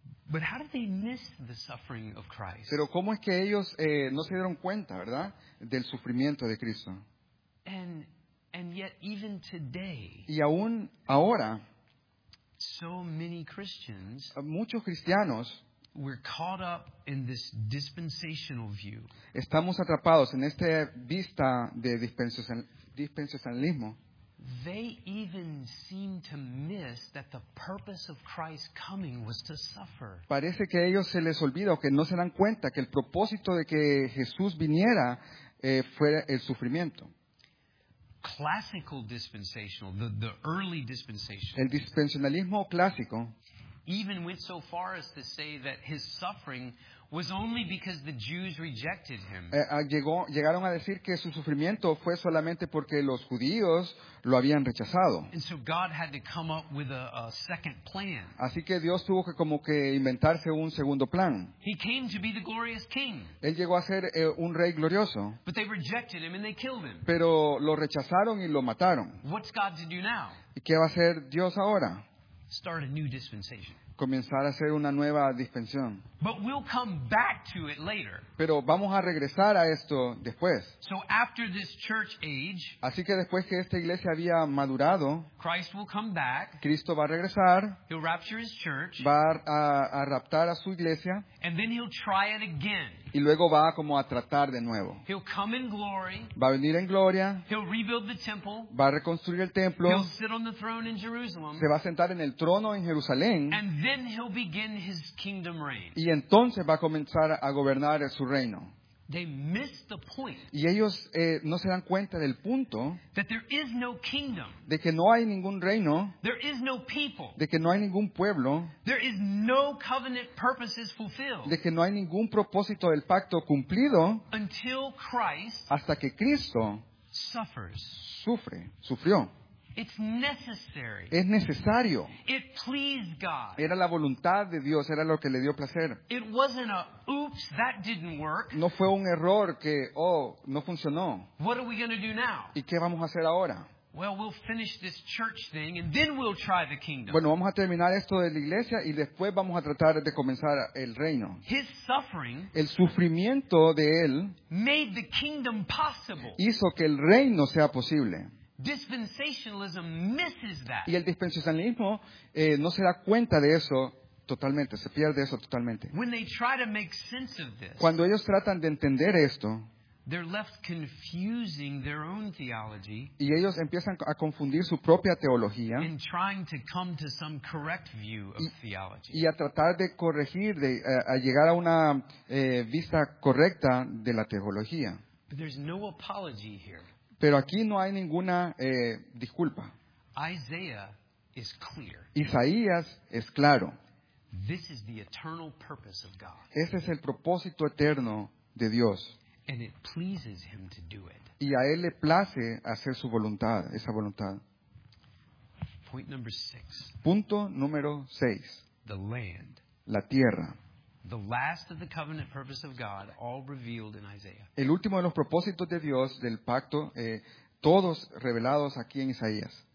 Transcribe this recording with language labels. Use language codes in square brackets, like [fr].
[en] But how did they miss the suffering of Christ? [es] Pero ¿cómo es que ellos no se dieron cuenta, verdad, del sufrimiento de Cristo? [en] And yet even today. [es] Y aún ahora. [en] So many Christians, [es] muchos cristianos, [en] we're caught up in this dispensational view. [es] Estamos atrapados en esta vista de dispensacionalismo. [en] They even seem to miss that the purpose of Christ's coming was to suffer. [es] Parece que a ellos se les olvida o que no se dan cuenta que el propósito de que Jesús viniera fue el sufrimiento. [en] Classical dispensational, the early dispensational. [es] El dispensacionalismo clásico. [en] Even went so far as to say that his suffering was only because the Jews rejected him. [es] Llegaron a decir que su sufrimiento fue solamente porque los judíos lo habían rechazado. [en] And so God had to come up with a second plan. [es] Así que Dios tuvo que como que inventarse un segundo plan. [en] He came to be the glorious king. [es] Él llegó a ser un rey glorioso. [en] But they rejected him and they killed him. [es] Pero lo rechazaron y lo mataron. [en] What's God to do now? [es] ¿Y qué va a hacer Dios ahora? [en] Start a new dispensation. [es] Comenzar a hacer una nueva dispensación. [en] But we'll come back to it later. [es] Pero vamos a regresar a esto después. [en] So after this church age, [es] así que después que esta iglesia había madurado, [en] Christ will come back, [es] Cristo va a regresar, [en] he'll rapture his church, [es] va a raptar a su iglesia, [en] and then he'll try it again. [es] Y luego va como a tratar de nuevo. [en] He'll come in glory, [es] va a venir en gloria, [en] he'll rebuild the temple, [es] va a reconstruir el templo, [en] he'll sit on the throne in Jerusalem, [es] se va a sentar en el trono en Jerusalén, [en] and then he'll begin his kingdom reign. [es] Y entonces va a comenzar a gobernar su reino. [en] They miss the point. [es] Y ellos no se dan cuenta del punto. [en] That there is no kingdom. [es] De que no hay ningún reino. [en] There is no people. [es] De que no hay ningún pueblo. [en] There is no covenant purposes fulfilled. [es] De que no hay ningún propósito del pacto cumplido. [en] Until Christ. [es] Hasta que Cristo. [en] Suffers. [es] Sufre. Sufrió. [en] It's necessary. [es] Es necesario. [en] It pleased God. [es] Era la voluntad de Dios, era lo que le dio placer. [en] It wasn't a oops, that didn't work. [es] No fue un error que oh, no funcionó. [en] What are we going to do now? [es] ¿Y qué vamos a hacer ahora? [en] Well, we'll finish this church thing and then we'll try the kingdom. [es] Bueno, vamos a terminar esto de la iglesia y después vamos a tratar de comenzar el reino. [en] His suffering, [es] el sufrimiento de él, [en] made the kingdom possible. [es] Hizo que el reino sea posible. [en] Dispensationalism misses that. [es] Y el dispensacionalismo no se da cuenta de eso totalmente, se pierde eso totalmente. [en] When they try to make sense of this, [es] cuando ellos tratan de entender esto, [en] They're left confusing their own theology. [es] Y ellos empiezan a confundir su propia teología. [en] In trying to come to some correct view of theology. [es] Y a tratar de corregir, de a llegar a una vista correcta de la teología. [en] But there's no apology here. [es] Pero aquí no hay ninguna disculpa. [en] Isaiah is clear. [es] Isaías es claro. [en] This is the eternal purpose of God. [es] Ese es el propósito eterno de Dios. [en] And it pleases him to do it. [es] Y a él le place hacer su voluntad, esa voluntad. [en] Point number six. [es] Punto número 6. [en] The land. [es] La tierra. [en] The last of the covenant purpose of God, all revealed in Isaiah. [es] El último de los propósitos de Dios del pacto, todos revelados aquí en Isaías.